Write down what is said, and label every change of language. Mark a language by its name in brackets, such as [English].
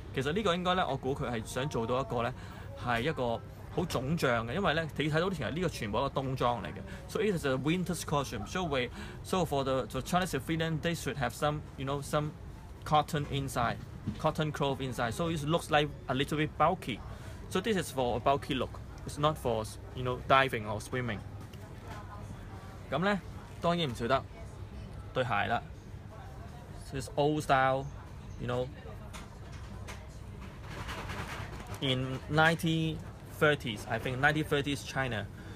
[Cantonese] 其實呢個應該咧，我估佢係想做到一個咧，係一個好腫脹嘅，因為咧你睇到其實呢個全部一個冬裝嚟嘅。 [English] So it is a winter's costume. So for the Chinese civilian, they should have some, you know, some cotton inside, cotton cloth inside. So it looks like a little bit bulky. So this is for a bulky look. It's not for, you know, diving or swimming. [Cantonese] 咁咧，當然唔少得對鞋啦。 [English] This old style, you know, in 1930s, I think 1930s China.